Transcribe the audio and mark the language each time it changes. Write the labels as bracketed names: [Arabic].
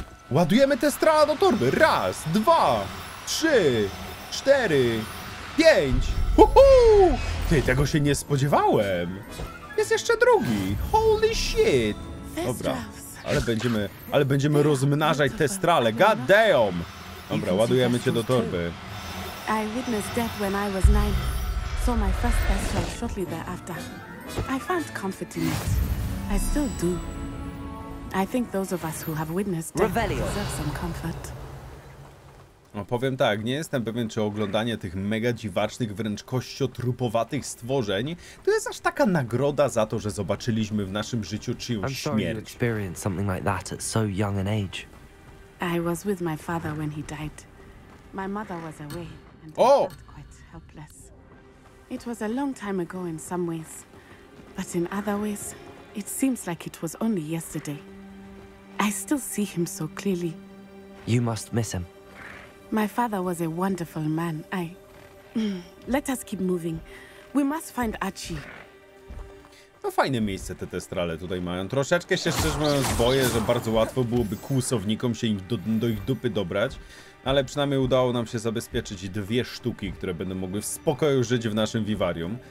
[Polish] Ładujemy te strzały do torby. Raz, dwa, trzy, cztery, pięć. Huhu! Ty, tego się nie spodziewałem. Jest jeszcze drugi. [English] Holy shit. [Polish] Dobra, ale będziemy rozmnażać te strzały. [English] God damn. [Polish] Dobra, ładujemy cię do torby. [English] I witnessed death when I was nine. So my first best job shortly thereafter. I found comfort in it. I still do. I think those of us who have witnessed death deserve some comfort. [Polish] No powiem tak, nie jestem pewien, czy oglądanie tych mega dziwacznych, wręcz kościotrupowatych stworzeń to jest aż taka nagroda za to, że zobaczyliśmy w naszym życiu czyjąś śmierć. [English] I'm sorry you experienced something like that at so young an age. I was with my father when he died. My mother was away and I felt quite helpless. It was a long time ago in some ways, but in other ways, it seems like it was only yesterday. I still see him so clearly. You must miss him. My father was a wonderful man. Let us keep moving. We must find Archie. [Polish] No fajne miejsce te testrale tutaj mają. Troszeczkę się szczerze mówiąc boję, że bardzo łatwo byłoby kłusownikom się do ich dupy dobrać. Ale przynajmniej udało nam się zabezpieczyć dwie sztuki, które będą mogły w spokoju żyć w naszym wiwarium.